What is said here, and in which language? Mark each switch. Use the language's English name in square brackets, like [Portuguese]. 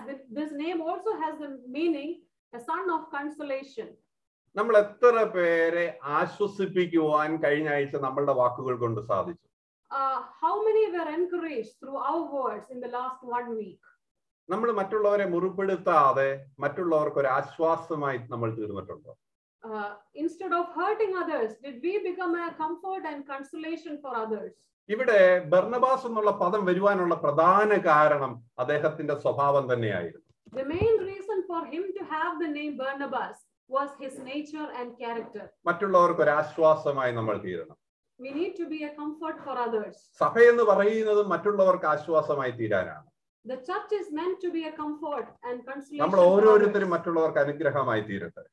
[English] This name also has the meaning a son of consolation. [Malayalam] നമ്മൾ എത്ര പേരെ ആശ്വസിപ്പിക്കുവാൻ കഴിഞ്ഞ ആഴ്ച നമ്മളുടെ വാക്കുകൾ കൊണ്ട് സാധിച്ചു? [English] How many were encouraged through our words in the last one week? [Malayalam] നമ്മൾ മറ്റുള്ളവരെ മുറിപ്പെടുത്താതെ മറ്റുള്ളവർക്ക് ഒരു ആശ്വാസമായി നമ്മൾ തീർന്നിട്ടുണ്ടോ? [English] Instead of hurting others, did we become a comfort and consolation for others? [Malayalam] ഇവിടെ ബർണബാസ് എന്നുള്ള പദം വരുവാനുള്ള പ്രധാന കാരണം അദ്ദേഹത്തിന്റെ സ്വഭാവം തന്നെയായിരുന്നു. [English] The main reason for him to have the name Barnabas was his nature and character. [Malayalam] മറ്റുള്ളവർക്ക് ഒരു ആശ്വാസമായി നമ്മൾ തീരണം. [English] We need to be a comfort for others. [Malayalam] സഭ എന്ന് പറയുന്നത് മറ്റുള്ളവർക്ക് ആശ്വാസമായി തീരാനാണ്. [English] The church is meant to be a comfort and consolation. [Malayalam] നമ്മൾ ഓരോരുത്തരും മറ്റുള്ളവർക്ക് അനുഗ്രഹമായി തീരട്ടെ.